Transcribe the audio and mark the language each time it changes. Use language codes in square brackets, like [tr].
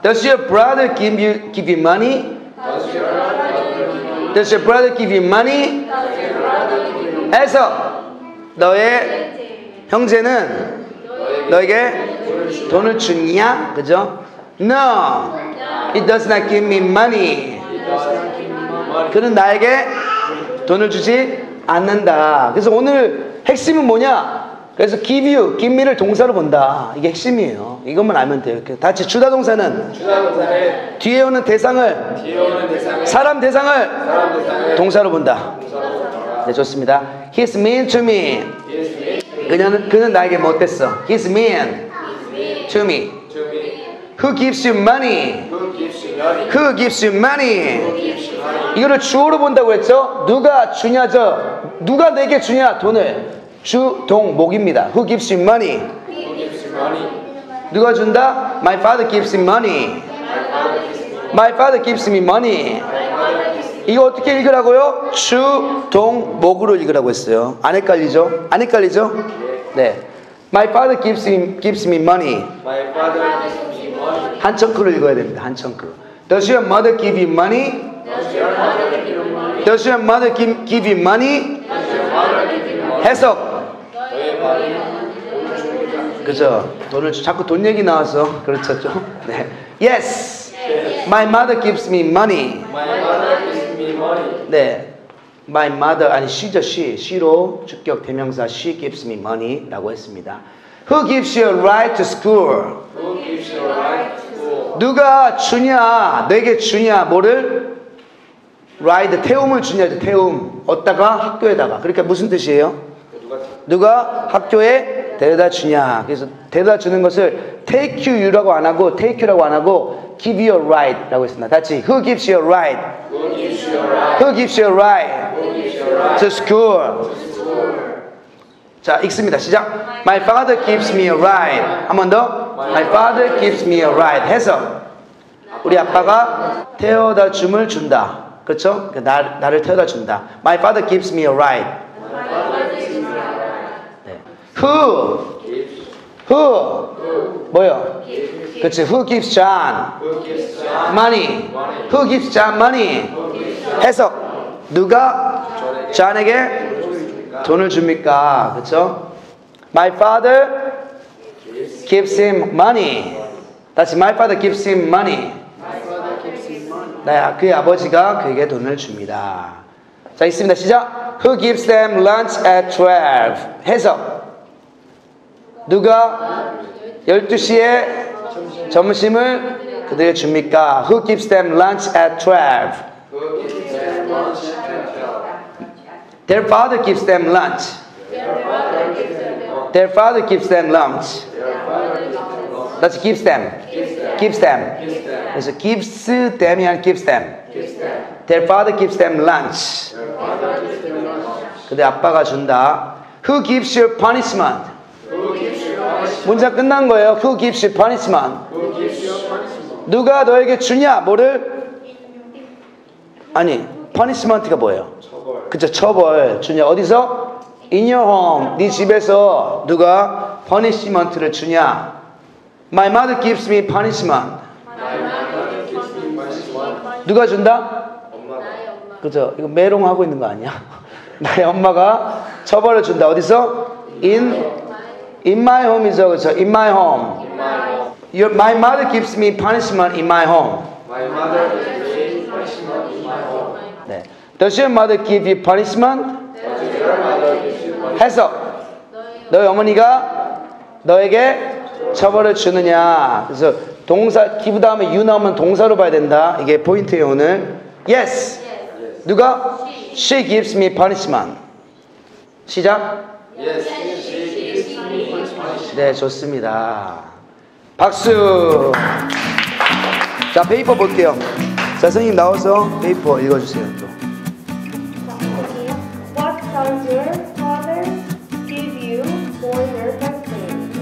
[en] Does your brother give you money? Does your brother Does your brother give you money? Does your brother give you money? [ko] 해서 너의 형제는 너에게 돈을 주냐? 그죠? [en] No. No. He does not give me money. He does not give me money. [ko] 그는 나에게 돈을 주지 않는다. 그래서 오늘 핵심은 뭐냐? 그래서 [en] give you, give me [ko] 를 동사로 본다. 이게 핵심이에요. 이것만 알면 돼요. 다시 주다 동사는 뒤에 오는 대상을, 사람 대상을, 동사로 본다. 네, 좋습니다. [en] He's mean to me. [ko] 그는 나에게 못됐어. [en] He's mean to me. Who gives you money? Who gives you money? [ko] 이거를 주어로 본다고 했죠? 누가 주냐, 저. 누가 내게 주냐, 돈을. 주, 동, 목입니다. [en] Who gives you money? Who gives you money? [ko] 누가 준다? [en] My father gives me money. My father gives me money. [ko] 이거 어떻게 읽으라고요? 주, 동, 목으로 읽으라고 했어요. 안 헷갈리죠? 안 헷갈리죠? 네. [en] My father gives me money. My father gives me money. [ko] 한 청크로 읽어야 됩니다. 한 청크. [en] Does your mother give you money? Does your mother give you money? [ko] 해석. 그죠. 돈을 자꾸 돈 얘기 나와서 그렇죠. 좀. 네. [en] Yes. My mother gives me money. My mother gives me money. [ko] 네. [en] My mother [ko] 아니 [en] she죠 she. [ko] She로 주격 대명사 [en] she gives me money [ko] 라고 했습니다. [en] Who gives you a ride to school? Who gives you a ride to school? [ko] 누가 주냐? 내게 주냐? 뭐를? 라이드 태움을 주냐? 태움. 어디다가? 학교에다가. 그러니까 무슨 뜻이에요? 누가 학교에 데려다 주냐? 그래서 데려다 주는 것을 [en] take you [ko] 라고 안 하고 take you라고 안 하고 [en] give you a ride [ko] 라고 했습니다. 같이 [en] who gives you a ride? Who gives you a ride? To school. To school. [ko] 자, 읽습니다. 시작. [en] My father gives me a ride. [ko] 한 번 더. [en] My father gives me a ride. [ko] 해서 우리 아빠가 태워다 줌을 준다. 그렇죠? 나를 태워다 준다. [en] My father gives me a ride. Who? Who? [ko] 뭐요? [en] Gives. [ko] 그치. [en] Who gives John money? Who gives John money? [ko] 해석. 누가 John에게 돈을 줍니까? 그쵸? [en] My father gives him money. 다시 my father gives him money. [ko] 나야 그의 아버지가 그에게 돈을 줍니다. 자 있습니다. 시작. [en] Who gives them lunch at 12? [ko] 해석. 누가 12시에 점심을 그들에게 줍니까? [en] Who gives them lunch at 12? Their father gives them lunch. Their father gives them lunch. That's gives them. Gives them. 그래서 gives them 이 아니라 gives them. Their father gives them lunch. [ko] 그들 아빠가 준다. [en] Who gives you punishment? [ko] 문장 끝난 거예요. [en] Who gives you punishment? [ko] 누가 너에게 주냐? 뭐를? 아니, punishment가 뭐예요? 그쵸, 처벌 주냐? 어디서? [en] In your home, [ko] 네 집에서 누가 punishment를 주냐? [en] My mother gives me punishment. [ko] 누가 준다? 그쵸, 이거 메롱하고 있는 거 아니야? 나의 엄마가 처벌을 준다. 어디서? [en] In my home is also in my home. My mother gives me punishment in my home. My mother gives me punishment in my home. [ko] 네. [en] Does your mother give you punishment? Does your mother give you punishment? [ko] 해석. 너의 어머니가 너에게 처벌을 주느냐. 그래서 동사 give 다음에 you 나오면 동사로 봐야 된다. 이게 포인트예요 오늘. [en] Yes. [ko] 누가? [en] She gives me punishment. [ko] 시작. [en] Yes. [ko] 네, 좋습니다. 박수! 자, 페이퍼 볼게요. 자, 선생님 나와서 페이퍼 읽어주세요. 자, 볼게요. [en] What does your father give you for your birthday?